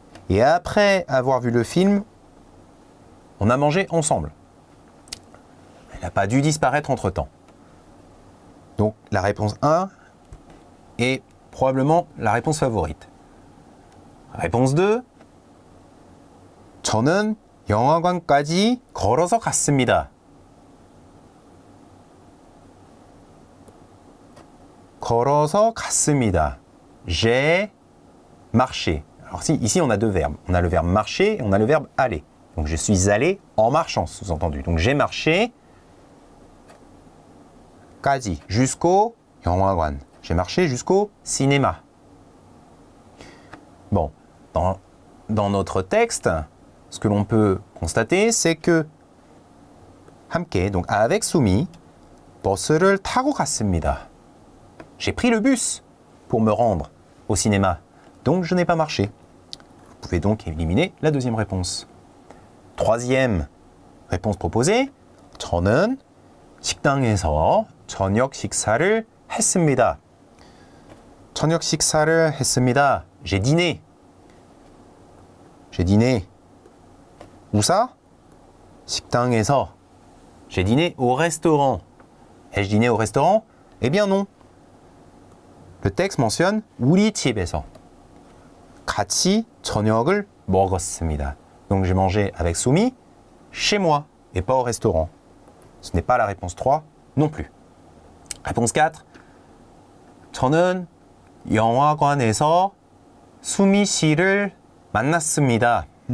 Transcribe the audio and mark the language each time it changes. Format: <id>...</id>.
<fr>Et après avoir vu le film, on a mangé ensemble. Elle n'a pas dû disparaître entre-temps. Donc la réponse 1 est probablement la réponse favorite. Réponse 2.</fr> <ko>저는 영화관까지 걸어서 갔습니다. 걸어서 갔습니다.</ko> <fr>J'ai marché. Alors si, ici on a deux verbes. On a le verbe marcher et on a le verbe aller. Donc je suis allé en marchant, sous-entendu. Donc j'ai marché.</fr> <ko>까지.</ko> <fr>Jusqu'au</fr> <ko>영화관.</ko> <fr>J'ai marché jusqu'au cinéma. Bon, dans notre texte, ce que l'on peut constater, c'est que 함께, donc avec Soumi,</fr> <ko>버스를 타고 갔습니다.</ko> <fr>J'ai pris le bus pour me rendre au cinéma, donc je n'ai pas marché. Vous pouvez donc éliminer la deuxième réponse. Troisième réponse proposée.</fr> <ko>저는 식당에서 저녁 식사를 했습니다. 저녁 식사를 했습니다.</ko> <fr>J'ai dîné. J'ai dîné. Où ça? 식당에서. J'ai dîné au restaurant. Ai-je dîné au restaurant? Eh bien non. Le texte mentionne</fr> <ko>우리 집에서. 같이 저녁을 먹었습니다.</ko> <fr>Donc j'ai mangé avec Soumi chez moi et pas au restaurant. Ce n'est pas la réponse 3 non plus. Réponse 4.</fr> <ko>저는 영화관에서 수미 씨를 만났습니다.</ko>